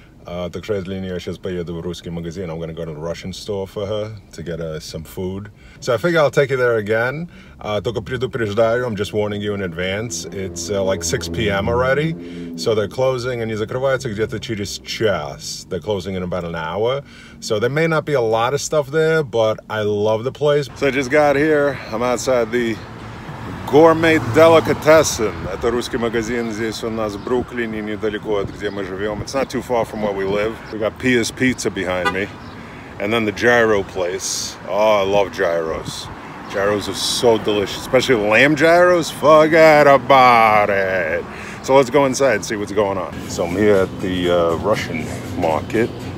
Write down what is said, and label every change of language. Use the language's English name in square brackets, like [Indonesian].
[Russian] Так что для нее сейчас поеду в русский магазин. [English] I'm gonna go to the Russian store for her to get some food. So I figure I'll take you there again. [Russian] Только предупреждаю, [English] I'm just warning you in advance. It's like 6 p.m. already. So they're closing, [Russian] они закрываются где-то через час. [English] They're closing in about an hour. So there may not be a lot of stuff there, but I love the place. So I just got here. I'm outside the Gourmet Delicatessen. [Russian] Это русский магазин здесь у нас в Бруклине, недалеко от где мы живем. [English] It's not too far from where we live. We got Pia's Pizza behind me. And then the gyro place. Oh, I love gyros. Gyros are so delicious, especially lamb gyros. Forget about it. So let's go inside and see what's going on. So I'm here at the Russian market.